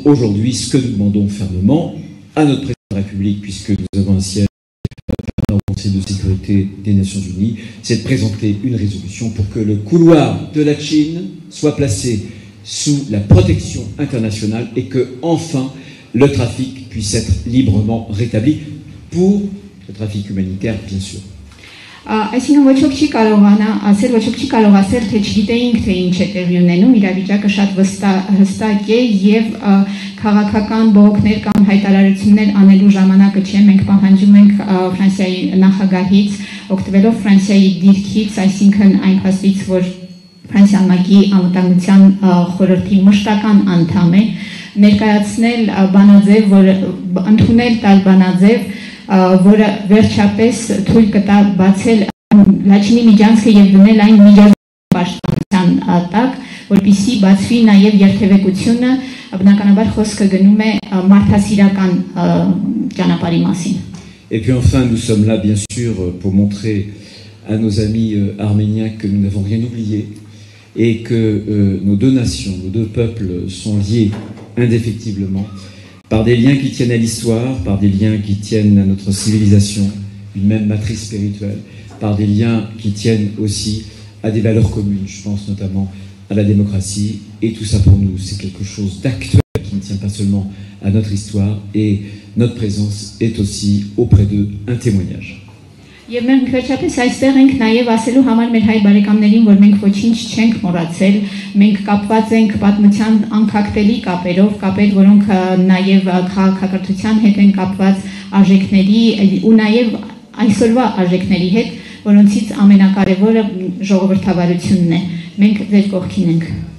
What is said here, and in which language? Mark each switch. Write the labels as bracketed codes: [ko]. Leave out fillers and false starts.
[fr] Aujourd'hui, ce que nous demandons fermement à notre président de la République, puisque nous avons un siège au Conseil de sécurité des Nations Unies, c'est de présenter une résolution pour que le couloir de la Chine soit placé sous la protection internationale et que enfin le trafic puisse être librement rétabli pour le trafic humanitaire bien sûr. [hy] Այսինքն ոչ ոք չի կարողանա ասել, ոչ ոք չի կարող ասել, թե չգիտեինք, թե ինչ է տեղի ունենում, իրավիճակը շատ հստակ է եւ քաղաքական բողոքներ կամ հայտարարություններ անելու ժամանակը չէ, մենք պահանջում ենք Ֆրանսիայի նախագահից, օգտվելով Ֆրանսիայի դիրքից, այսինքն այն փաստից, որ Ֆրանսիան մագի անվտանգության խորհրդի մշտական անդամ է, ներկայացնել բանաձև, որը ընդունել տալ բանաձև, որը վերջապես թույլ կտա բացել Լաչինի միջանցքը եւ դնել այն միջազգային պաշտպանության տակ, որպեսզի բացվի նաեւ երթևեկությունը, բնականաբար խոսքը գնում է մարդասիրական ճանապարհի մասին։ [fr] Et puis enfin nous sommes là bien sûr pour montrer à nos amis arméniens que nous n'avons rien oublié. Et que nos deux nations, nos deux peuples sont liés indéfectiblement par des liens qui tiennent à l'histoire, par des liens qui tiennent à notre civilisation, une même matrice spirituelle, par des liens qui tiennent aussi à des valeurs communes, je pense notamment à la démocratie. Et tout ça pour nous, c'est quelque chose d'actuel qui ne tient pas seulement à notre histoire, et notre présence est aussi auprès d'eux un témoignage. [hy] Եվ մենք վերջապես այստեղ ենք նաև ասելու համար մեր հայ բարեկամներին, որ մենք ոչինչ չենք մոռացել, մենք կապված ենք պատմության անկախտելի կապերով, կապեր, որոնք նաև քաղաքակրթության հետ են կապված արժեքների ու նաև այսօրվա արժեքների հետ, որոնցից ամենակարևորը ժողովրդավարությունն է։ Մենք ձեր կողքին ենք։